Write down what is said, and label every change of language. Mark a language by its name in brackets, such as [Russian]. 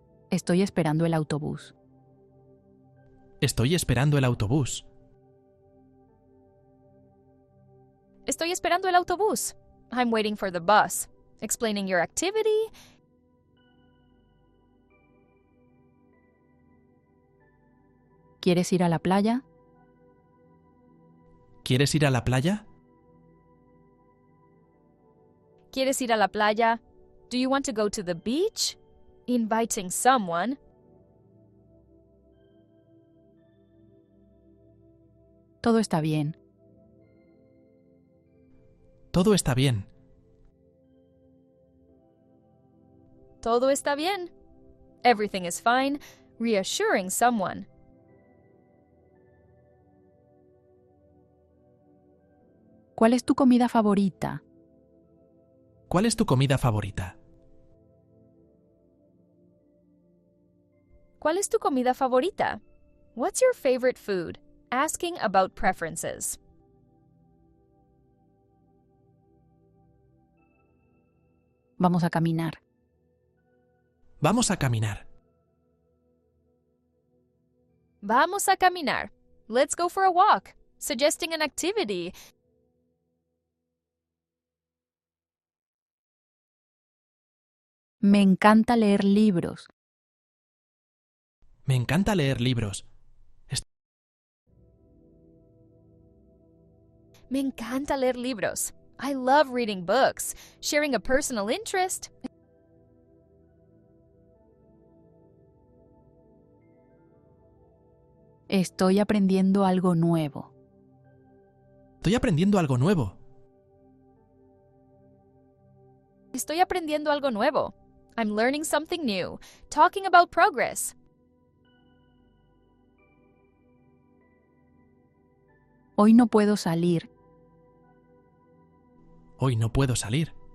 [Spanish] Estoy esperando el autobús. Estoy esperando el autobús. Estoy esperando el autobús. [English] I'm waiting for the bus. Explaining your activity. [Spanish] ¿Quieres ir a la playa? ¿Quieres ir a la playa? ¿Quieres ir a la playa? [English] Do you want to go to the beach? Inviting someone. [Spanish] Todo está bien. Todo está bien. Todo está bien. [English] Everything is fine. Reassuring someone. [Spanish] ¿Cuál es tu comida favorita? ¿Cuál es tu comida favorita? ¿Cuál es tu comida favorita? [English] What's your favorite food? Asking about preferences. [Spanish] Vamos a caminar. Vamos a caminar. Vamos a caminar. [English] Let's go for a walk. Suggesting an activity. [Spanish] Me encanta leer libros. Me encanta leer libros. Me encanta leer libros. [English] I love reading books. Sharing a personal interest. [Spanish] Estoy aprendiendo algo nuevo. Estoy aprendiendo algo nuevo. Estoy aprendiendo algo nuevo. [English] I'm learning something new. Talking about progress. [Spanish] Hoy no puedo salir. Hoy no puedo salir.